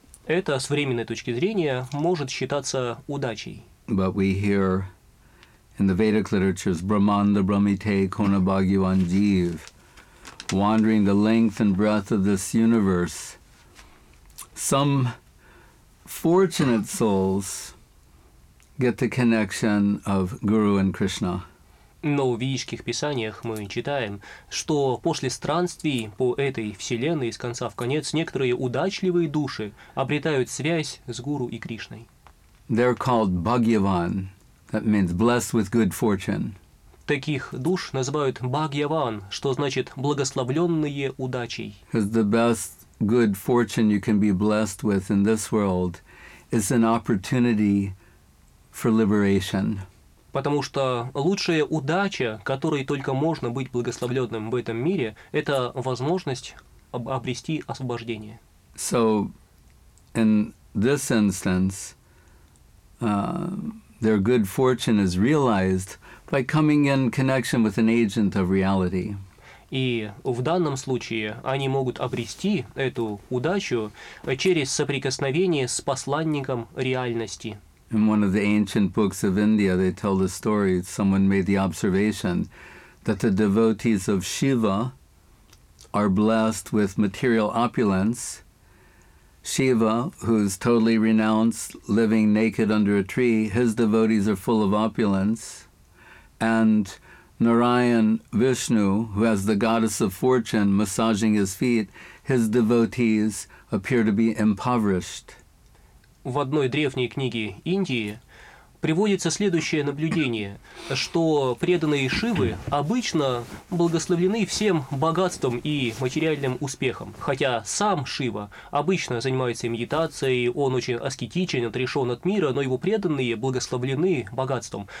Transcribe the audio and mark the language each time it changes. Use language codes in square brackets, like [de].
[ru] Это с временной точки зрения может считаться удачей. [en] But we hear in the Vedic literatures, [bn] Brahmanda Brahmite Kona Bhagyavan Jeev, [en] wandering the length and breadth of this universe, some fortunate souls get the connection of Guru and Krishna. [ru] Но в ведических писаниях мы читаем, что после странствий по этой вселенной, с конца в конец, некоторые удачливые души обретают связь с Гуру и Кришной. [en] They're called Bhagyavan. That means blessed with good fortune. [ru] Таких душ называют Бхагьяван, что значит благословленные удачей. [en] Because the best good fortune you can be blessed with in this world is an opportunity for liberation. [ru] Потому что лучшая удача, которой только можно быть благословленным в этом мире, это возможность обрести освобождение. [en] So, in this instance, their good fortune is realized by coming in connection with an agent of reality. [ru] И в данном случае они могут обрести эту удачу через соприкосновение с посланником реальности. [en] In one of the ancient books of India, they tell the story, someone made the observation that the devotees of Shiva are blessed with material opulence. Shiva, who's totally renounced, living naked under a tree, his devotees are full of opulence. And Narayan Vishnu, who has the goddess of fortune massaging his feet, his devotees appear to be impoverished. [ru] В одной древней книге Индии приводится следующее наблюдение, что преданные Шивы обычно благословлены всем богатством и материальным успехом. Хотя сам Шива обычно занимается медитацией, он очень аскетичен, отрешен от мира, но его преданные благословлены богатством.